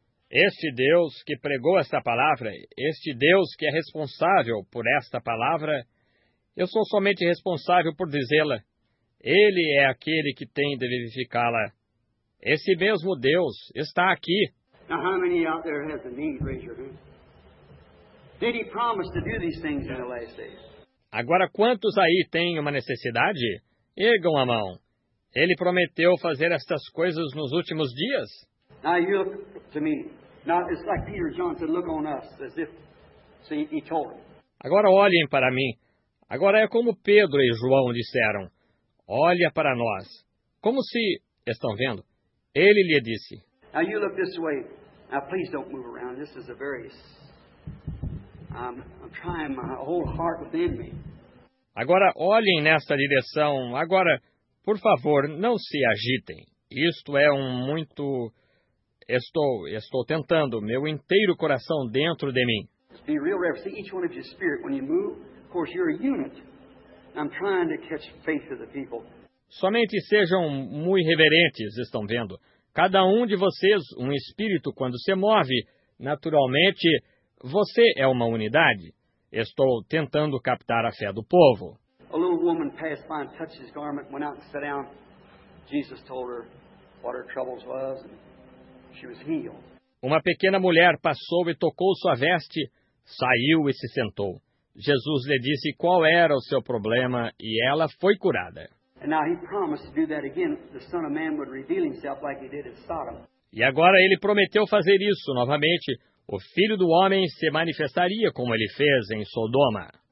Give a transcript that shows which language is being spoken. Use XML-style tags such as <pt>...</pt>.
<pt>Este Deus que pregou esta palavra, este Deus que é responsável por esta palavra, eu sou somente responsável por dizê-la. Ele é aquele que tem de vivificá-la. Esse mesmo Deus está aqui.</pt> <en>Now, how many out there have the need? Raise your hand. Did he promise to do these things in the last days?</en> <pt>Agora, quantos aí têm uma necessidade? Ergam a mão. Ele prometeu fazer estas coisas nos últimos dias?</pt> <en>Now, you look to me. Now, it's like Peter John said, look on us, as if, see, he told him.</en> <pt>Agora, olhem para mim. Agora, é como Pedro e João disseram. Olha para nós. Como se, estão vendo? Ele lhe disse.</pt> <en>Now, you look this way. Now, please don't move around. This is a very... I'm trying my whole heart within me.</en> <pt>Agora, olhem nesta direção. Agora, por favor, não se agitem. Isto é um muito... Estou tentando meu inteiro coração dentro de mim.</pt> <en>Be real reverent. See, each one of your spirit, when you move, of course, you're a unit. I'm trying to catch faith of the people.</en> <pt>Somente sejam muito reverentes, estão vendo? Cada um de vocês, um espírito, quando se move, naturalmente... Você é uma unidade. Estou tentando captar a fé do povo.</pt> <en>A little woman passed by and touched his garment, went out and sat down. Jesus told her what her troubles was, and she was healed.</en> <pt>Uma pequena mulher passou e tocou sua veste, saiu e se sentou. Jesus lhe disse qual era o seu problema e ela foi curada.</pt> <en>And now he promised to do that again. The Son of Man would reveal himself like he did at Sodom.</en> <pt>E agora ele prometeu fazer isso novamente. O Filho do Homem se manifestaria como ele fez em Sodoma.</pt>